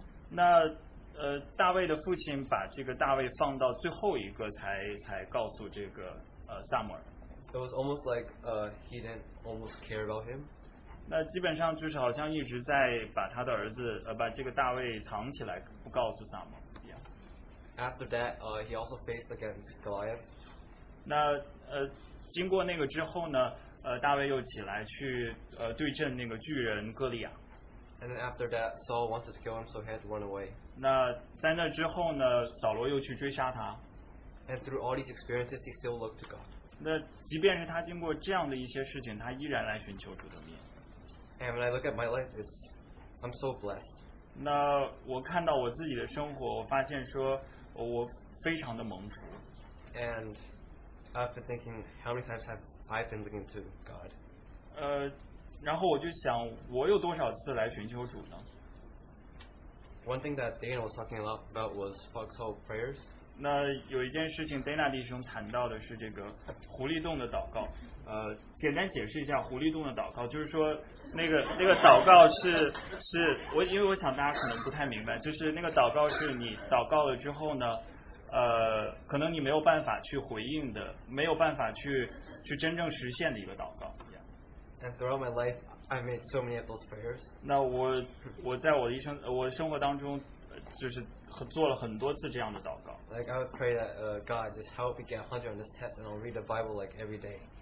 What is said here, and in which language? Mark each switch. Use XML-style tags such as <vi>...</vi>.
<zh>那大卫的父亲把这个大卫放到最后一个才告诉这个撒母耳。</zh> <en>It was almost like he didn't almost care about him.</en> <zh>那基本上就是好像一直在把他的儿子把这个大卫藏起来不告诉撒母耳。</zh> <en>Yeah. After that, he also faced against Goliath.</en> <zh>那经过那个之后呢，大卫又起来去对阵那个巨人哥利亚。</zh> <en>And then after that, Saul wanted to kill him, so he had to run away.</en> <zh>那在那之后呢，扫罗又去追杀他。</zh> <en>And through all these experiences, he still looked to God.</en> <zh>那即便是他经过这样的一些事情，他依然来寻求主的面。</zh> <en>And when I look at my life, I'm so blessed.</en> <zh>那我看到我自己的生活，我发现说我非常的蒙福。</zh> <en>And I've been thinking, how many times have I been looking to God?</en> <zh>然后我就想，我有多少次来寻求主呢？</zh> <en>One thing that Daniel was talking a lot about was foxhole prayers.</en> <zh>那有一件事情 Dana 弟兄谈到的是这个狐狸洞的祷告，简单解释一下狐狸洞的祷告，就是说那个祷告是我，因为我想大家可能不太明白，就是那个祷告是你祷告了之后呢，可能你没有办法去回应的，没有办法去真正实现的一个祷告。</zh> <en>And throughout my life, I made so many of those prayers.</en> <zh>那我在我的一生，我生活当中，就是做了很多次这样的祷告。</zh> <en>Like I would pray that God just help me get 100 on this test, and I'll read the Bible like every day.</en>